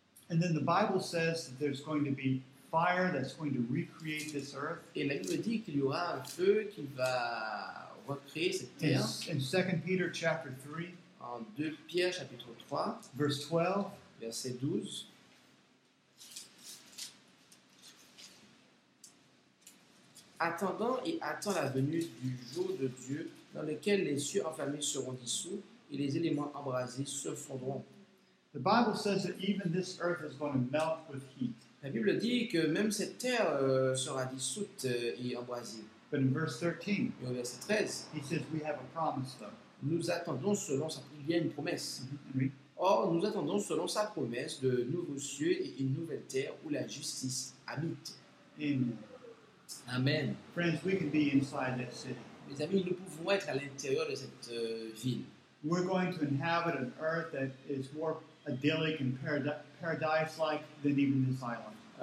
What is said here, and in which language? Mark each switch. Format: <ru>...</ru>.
<en>And then the Bible says that there's going to be fire that's going to recreate this earth.</en> <fr>Et la Bible dit qu'il y aura un feu qui va recréer cette terre.</fr> <en>In 2 Peter chapter 3,</en> <fr>en 2 Pierre chapitre 3,</fr> <en>verse 12,</en> <fr>verset 12. Attendant et attend la venue du jour de Dieu dans lequel les cieux enflammés seront dissous et les éléments embrasés se fondront.</fr> <en>The Bible says that even this earth is going to melt with heat.</en> <fr>La Bible dit que même cette terre sera dissoute et embrasée.</fr> <en>But in verse 13,</en> <fr>et au verset 13,</fr> <en>he says we have a promise though.</en> <fr>Nous attendons selon sa promesse. Il y a une promesse. Mm-hmm. Oui. Or, nous attendons selon sa promesse de nouveaux cieux et une nouvelle terre où la justice habite. Amen. Amen.</fr> <en>Friends, we can be inside that city.</en> <fr>Mes amis, nous pouvons être à l'intérieur de cette ville.</fr> <en>We're going to inhabit an earth that is more idyllic and paradise-like than even this island.</en>